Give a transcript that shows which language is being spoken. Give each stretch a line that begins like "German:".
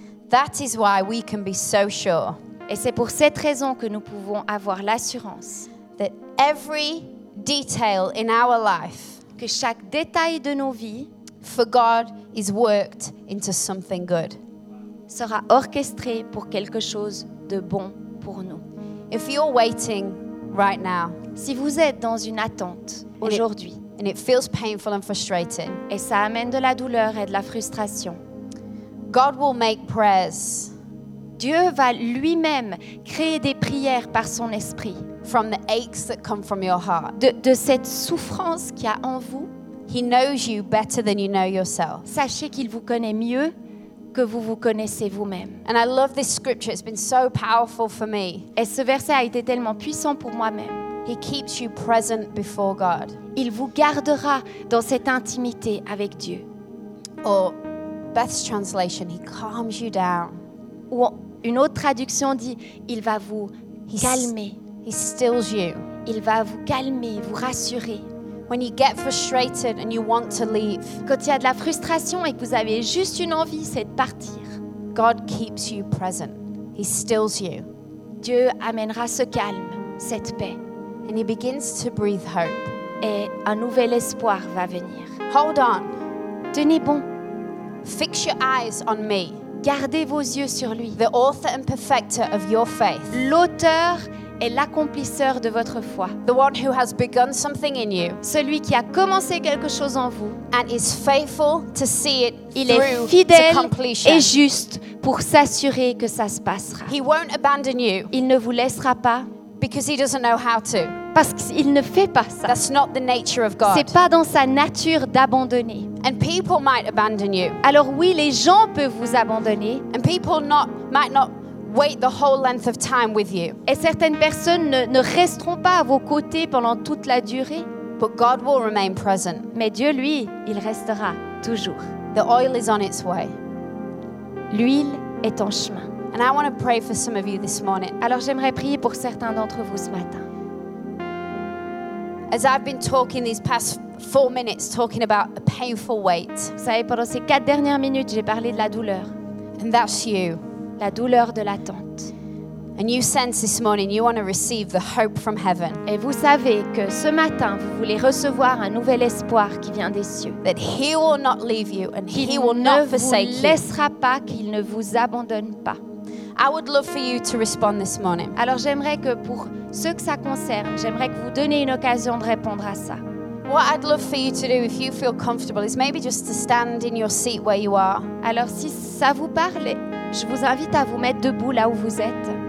English: That is why we can be so sure.
French: Et c'est pour cette raison que nous pouvons avoir l'assurance
English: that every detail in our life,
French: que chaque détail de nos vies,
English: for God is worked into something good,
French: sera orchestré pour quelque chose de bon pour nous.
English: If you're waiting right now,
French: si vous êtes dans une attente aujourd'hui.
English: And it feels painful and frustrating.
French: Et ça amène de la douleur et de la frustration.
English: God will make prayers.
French: Dieu va lui-même créer des prières par son esprit.
English: From the aches that come from your heart.
French: De cette souffrance qu'il y a en vous.
English: He knows you better than you know yourself.
French: Sachez qu'il vous connaît mieux que vous vous connaissez vous-même.
English: And I love this scripture. It's been so powerful for me.
French: Et ce verset a été tellement puissant pour moi-même.
English: He keeps you present before God.
French: Il vous gardera dans cette intimité avec Dieu.
English: Or Beth's translation, he calms you down.
French: Ou une autre traduction dit, il va vous calmer.
English: He stills you.
French: Il va vous calmer, vous rassurer.
English: When you get frustrated and you want to leave.
French: Quand il y a de la frustration et que vous avez juste une envie, c'est de partir.
English: God keeps you present. He stills you.
French: Dieu amènera ce calme, cette paix.
English: And he begins to breathe hope.
French: Et un nouvel espoir va venir.
English: Hold on.
French: Tenez bon.
English: Fix your eyes on me.
French: Gardez vos yeux sur lui.
English: The author and perfecter of your faith.
French: L'auteur et l'accomplisseur de votre foi.
English: The one who has begun something in you.
French: Celui qui a commencé quelque chose en vous.
English: And is faithful to see it through to completion.
French: Il est fidèle et juste pour s'assurer que ça se passera.
English: He won't abandon you.
French: Il ne vous laissera pas.
English: Because he doesn't know how to.
French: Parce qu'il ne fait pas ça.
English: That's not the nature of God.
French: C'est pas dans sa nature d'abandonner.
English: And people might abandon you.
French: Alors oui, les gens peuvent vous abandonner.
English: And people not might not wait the whole length of time with you.
French: Et certaines personnes ne resteront pas à vos côtés pendant toute la durée.
English: But God will remain present.
French: Mais Dieu, lui, il restera toujours.
English: The oil is on its way.
French: L'huile est en chemin.
English: And I want to pray for some of you this morning.
French: Alors j'aimerais prier pour certains d'entre vous ce matin.
English: as I've been talking these past 4 minutes, talking about a painful weight.
French: Vous savez, pendant ces 4 dernières minutes, j'ai parlé de la douleur.
English: And that's you.
French: La douleur de l'attente.
English: And you sense this morning you want to receive the hope from heaven.
French: Et vous savez que ce matin vous voulez recevoir un nouvel espoir qui vient des cieux.
English: That he will not leave you and he will not forsake you.
French: Il ne vous laissera pas, qu'il ne vous abandonne pas.
English: I would love for you to respond this morning.
French: Alors j'aimerais que pour ceux que ça concerne, j'aimerais que vous donniez une occasion de répondre à ça.
English: What I'd love for you to do, if you feel comfortable, is maybe just to stand in your seat where you are.
French: Alors si ça vous parle, je vous invite à vous mettre debout là où vous êtes.